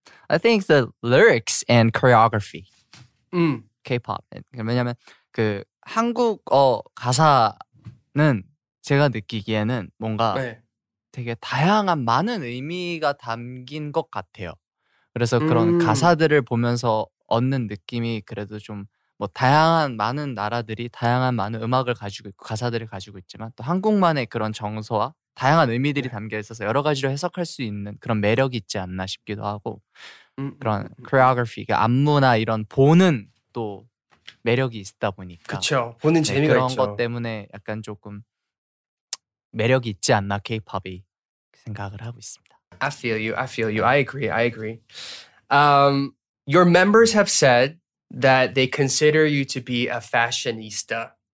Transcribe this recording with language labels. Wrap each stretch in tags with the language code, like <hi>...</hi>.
<en>I think the lyrics and choreography. K-pop.</en> <ko>왜냐면 그 한국어 가사는 제가 느끼기에는 뭔가 네. 되게 다양한 많은 의미가 담긴 것 같아요. 그래서 그런 가사들을 보면서 얻는 느낌이 그래도 좀 뭐 다양한 많은 나라들이 다양한 많은 음악을 가지고 있고 가사들을 가지고 있지만 또 한국만의 그런 정서와 다양한 의미들이 담겨 있어서 여러 가지로 해석할 수 있는 그런 매력이 있지 않나 싶기도 하고 그런 choreography, 그 안무나 이런 보는 또 매력이 있다 보니까 그렇죠. 보는 재미가 네, 그런 있죠. 그런 것 때문에 약간 조금 매력이 있지 않나 K-pop이 생각을 하고 있습니다.</ko> <en>I feel you. I feel you. I agree. Your members have said that they consider you to be a fashionista.</en>